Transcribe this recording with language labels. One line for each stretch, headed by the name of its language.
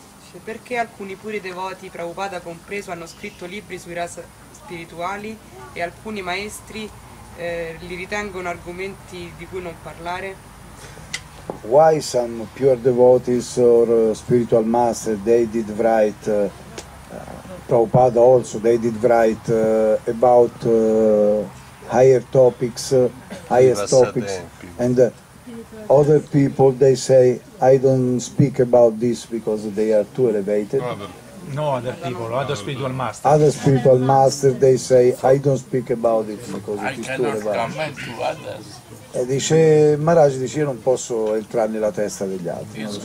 Italian: Cioè, perché alcuni puri devoti, Prabhupada compreso, hanno scritto libri sui rasa spirituali e alcuni maestri li ritengono argomenti di cui non parlare?
English: Why some pure devotees or spiritual master, they did write, Prabhupada also, they did write about higher topics, highest topics, and other people, they say, I don't speak about this because they are too elevated. No, other people, other spiritual master. Other spiritual master, they say, I don't speak about it because it is too elevated. I cannot comment to others.
Italian: E dice Maharaj, dice, io non posso entrare nella testa degli altri.